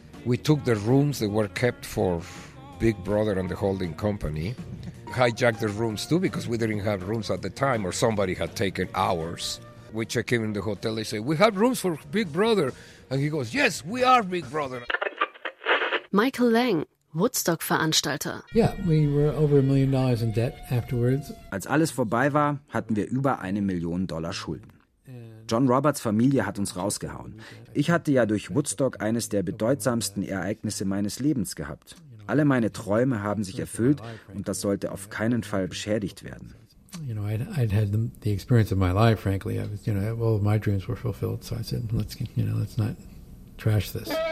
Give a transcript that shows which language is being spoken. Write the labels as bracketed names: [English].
[English] We took the rooms that were kept for Big Brother and the holding company, hijacked the rooms too because we didn't have rooms at the time or somebody had taken ours. We check in the hotel. They say, we have rooms for Big Brother. And he goes, yes, we are Big Brother. [German] Michael Lang, Woodstock-Veranstalter. [English] Yeah, we were over $1 million in debt afterwards. [German] Als alles vorbei war, hatten wir über $1 million Schulden. John Roberts Familie hat uns rausgehauen. Ich hatte ja durch Woodstock eines der bedeutsamsten Ereignisse meines Lebens gehabt. Alle meine Träume haben sich erfüllt und das sollte auf keinen Fall beschädigt werden. [English] You know, I'd had the experience of my life, frankly. I was, you know, all of my dreams were fulfilled. So I said, let's not trash this.